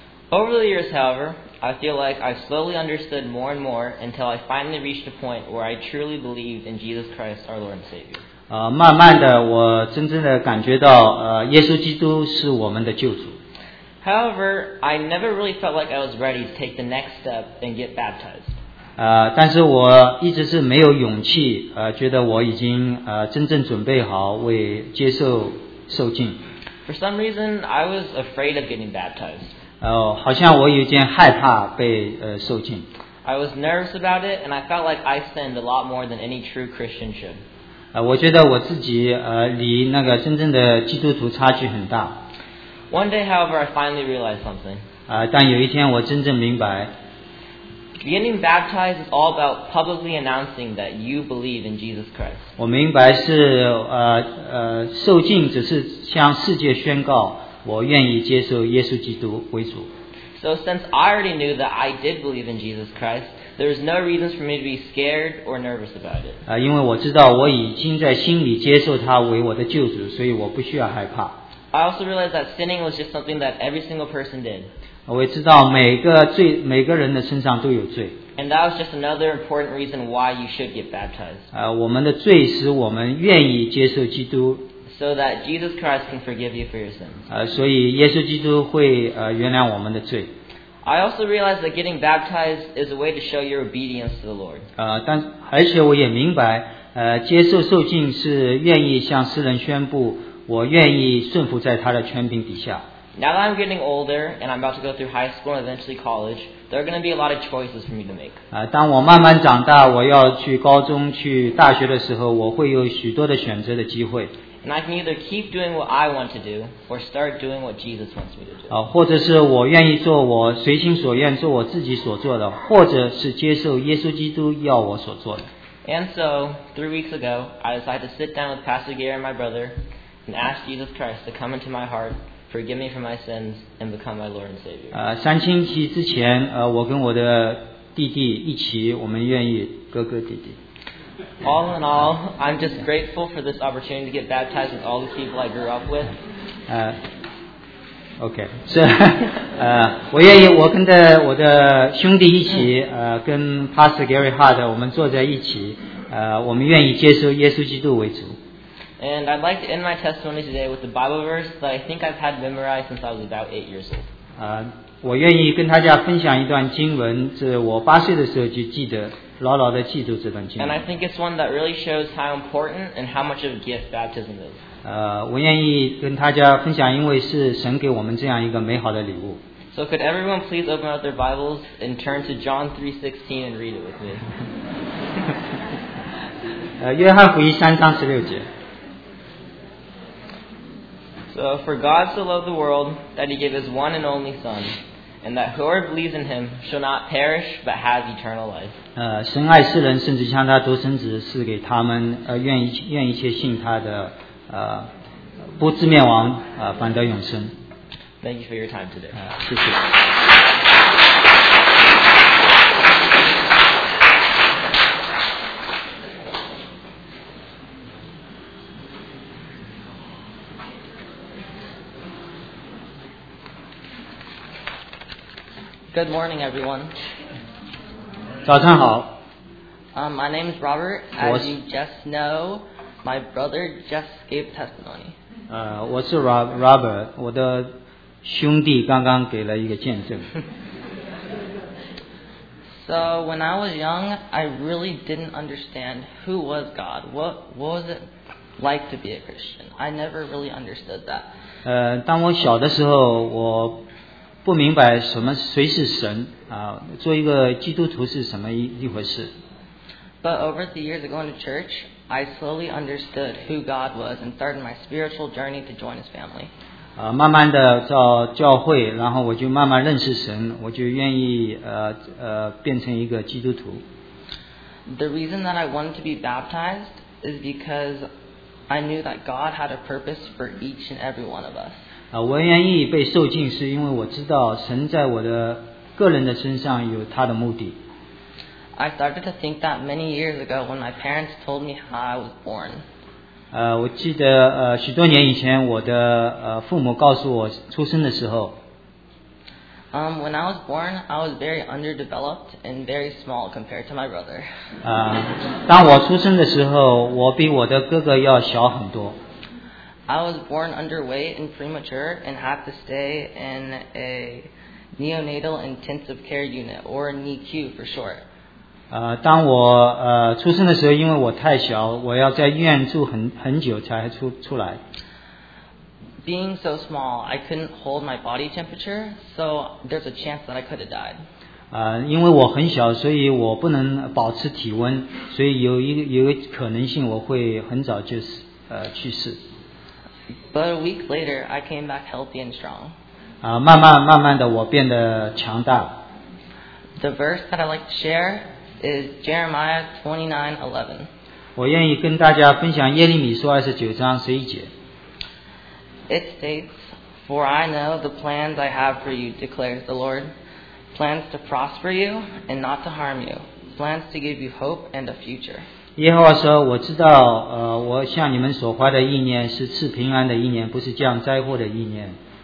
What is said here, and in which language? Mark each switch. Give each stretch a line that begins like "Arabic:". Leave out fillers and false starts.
English: Over the years, however, I feel like I slowly understood more and more until I finally reached a point where I truly believed in Jesus Christ, our Lord and Savior.
Chinese: 慢慢的我真正的感觉到 耶稣基督是我们的救主。
English: However, I never really felt like I was ready to take the next step and get baptized.
Chinese: 但是我一直是没有勇气 觉得我已经 真正准备好为接受受浸。
English: For some reason, I was afraid of getting baptized.
Chinese: 好像我有点害怕被 受浸。
English: I was nervous about it, and I felt like I sinned a lot more than any true Christian should.
Chinese: 我觉得我自己 离那个真正的基督徒差距很大。
English: One day, however, I finally realized something.
Chinese: 但有一天我真正明白,
English: getting baptized is all about publicly announcing that you believe in Jesus Christ.
Chinese: 我明白是 受浸只是向世界宣告我愿意接受耶稣基督为主。
English: So since I already knew that I did believe in Jesus Christ, there is no reason for me to be scared or nervous about it.
Chinese: 因为我知道我已经在心里接受他为我的救主, 所以我不需要害怕。
English: I also realized that sinning was just something that every single person did.
Chinese: 我也知道每个人的身上都有罪。
English: And that was just another important reason why you should get baptized.
Chinese: 我们的罪使我们愿意接受基督。
English: So that Jesus Christ can forgive you for your sins.
Chinese: 所以耶稣基督会 原谅我们的罪。
English: I also realized that getting baptized is a way to show your obedience to the Lord.
Chinese: 而且我也明白, 接受受浸是愿意向世人宣布
English: Now Now that I'm getting older and I'm about to go through high school and eventually college, there are going to be a lot of choices for me to make.
Chinese: 当我慢慢长大，我要去高中、去大学的时候，我会有许多的选择的机会。
English: And I can either keep doing what I want to do or start doing what Jesus wants me to do.
Chinese: 或者是我愿意做我随心所愿做我自己所做的，或者是接受耶稣基督要我所做的。
English: And so, 3 weeks ago, I decided to sit down with Pastor Gary and my brother and ask Jesus Christ to come into my heart, forgive me for my sins, and become my Lord and Savior.
Chinese: 三星期之前，我跟我的弟弟一起，我们愿意哥哥弟弟。
English: All in all, I'm just grateful for this opportunity to get baptized with all the people I grew up with. Okay. So,
Chinese: 我愿意我跟着我的兄弟一起，跟 Pastor Gary Hart 我们坐在一起，我们愿意接受耶稣基督为主。
English: And I'd like to end my testimony today with a Bible verse that I think I've had memorized since I was about 8 years old.
Chinese: 我愿意跟大家分享一段经文，是我八岁的时候就记得，牢牢地记住这段经文。
English: And I think it's one that really shows how important and how much of a gift baptism is.
Chinese: 我愿意跟大家分享，因为是神给我们这样一个美好的礼物。
English: So could everyone please open up their Bibles and turn to John 3:16 and read it with me?
Chinese: 约翰福音三章十六节。
English: So, for God so loved the world that he gave his one and only Son, and that whoever believes in him shall not perish but have eternal life.
Chinese: 神爱世人，甚至将他独生子赐给他们，愿一切信他的，不至灭亡，反得永生。
English: Thank you for your time today.
Chinese: 谢谢。
English: Good morning, everyone.
Chinese: 早上好。
English: My name is Robert. As you just know, my brother just gave testimony.
Chinese: 我是 Robert. 我的兄弟刚刚给了一个见证。
English: So when I was young, I really didn't understand who was God. What was it like to be a Christian? I never really understood that.
Chinese: 当我小的时候，我不明白什么谁是神做一个基督徒是什么一回事。
English: But over the years of going to church, I slowly understood who God was and started my spiritual journey to join His family.
Chinese: 慢慢的到教会，然后我就慢慢认识神，我就愿意变成一个基督徒。
English: The reason that I wanted to be baptized is because I knew that God had a purpose for each and every one of us.
Chinese: 我愿意被受浸是因为我知道神在我的个人的身上有他的目的。
English: I started to think that many years ago when my parents told me how I was born.
Chinese: 我记得许多年以前我的父母告诉我出生的时候。
English: When I was born, I was very underdeveloped and very small compared to my brother.
Chinese: 当我出生的时候，我比我的哥哥要小很多。
English: I was born underweight and premature and had to stay in a neonatal intensive care unit, or NICU for short.
Chinese: 当我出生的时候，因为我太小，我要在医院住很久才出来。
English: Being so small, I couldn't hold my body temperature, so there's a chance that I could have died.
Chinese: 因为我很小，所以我不能保持体温，所以有一个可能性我会很早就去世。
English: But a week later, I came back healthy and strong.
Chinese: 慢慢的我变得强大。
English: The verse that I like to share is Jeremiah 29:11.
Chinese: 我愿意跟大家分享耶利米书29:11。
English: It states, For I know the plans I have for you, declares the Lord. Plans to prosper you and not to harm you. Plans to give you hope and a future.
Chinese: 耶和华说，我知道，我向你们所怀的意念是赐平安的意念，不是降灾祸的意念。